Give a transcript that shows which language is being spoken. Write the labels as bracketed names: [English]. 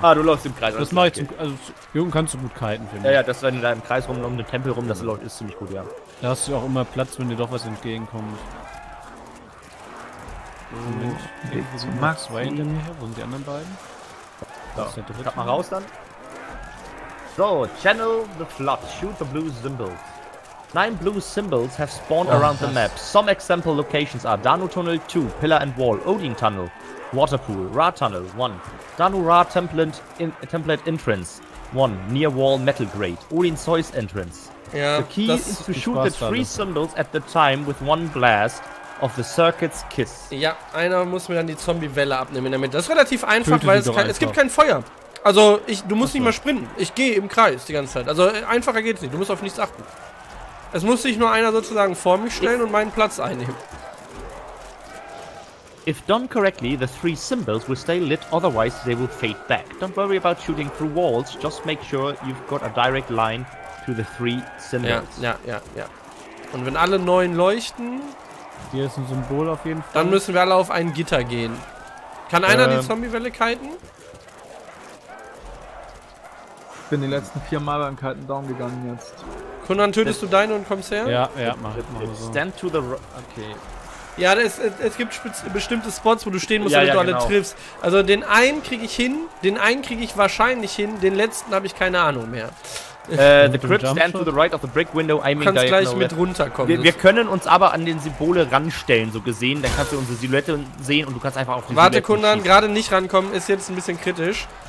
[German] Ah, du läufst im Kreis. Das mache ich zum, also Jürgen, kannst du gut kiten für mich. Ja, ja, das, wenn du da im Kreis rum, um den Tempel rum, das läuft, ist ziemlich gut, ja. Da hast du auch immer Platz, wenn dir doch was entgegenkommt. So, Max, zwei hinter mir her, wo sind die anderen beiden? Da, so, ja, mal raus dann. [English] So, channel the flood, shoot the blue symbols. 9 blue symbols have spawned around the map. Some example locations are Danu Tunnel 2, Pillar and Wall, Odin Tunnel, Waterpool, Ra Tunnel 1, Danu Ra Template Entrance 1, Near Wall Metal Grate, Odin Zeus Entrance. Yeah, the key is to shoot the 3 symbols at the time with one blast of the Circuit's Kiss. [German] Ja, einer muss mir dann die Zombie-Welle abnehmen in der Mitte. Das ist relativ einfach, weil es gibt kein Feuer. Also, du musst nicht mal sprinten. Ich gehe im Kreis die ganze Zeit. Also, einfacher geht's nicht. Du musst auf nichts achten. Es muss sich nur einer sozusagen vor mich stellen und meinen Platz einnehmen. [English] If done correctly, the three symbols will stay lit, otherwise they will fade back. Don't worry about shooting through walls, just make sure you've got a direct line to the three symbols. [German] Ja. Und wenn alle neun leuchten... Hier ist ein Symbol auf jeden Fall. Dann müssen wir alle auf ein Gitter gehen. Kann einer die Zombie-Welle kiten? Ich bin die letzten vier Mal beim kalten Daumen gegangen jetzt. Kunan, tötest du deine und kommst her? Ja, ja, mach [English] so. Stand to the ro- okay. [German] Ja, es gibt bestimmte Spots, wo du stehen musst, damit du alle triffst. Also den einen krieg ich hin, den einen krieg ich wahrscheinlich hin, den letzten habe ich keine Ahnung mehr. [English] The crypt stand to the right of the brick window, I mean, [German] kannst gleich mit runterkommen. Wir können uns aber an den Symbole ranstellen, so gesehen. Dann kannst du unsere Silhouette sehen und du kannst einfach auf die Warte, Kunan, gerade nicht rankommen, ist jetzt ein bisschen kritisch.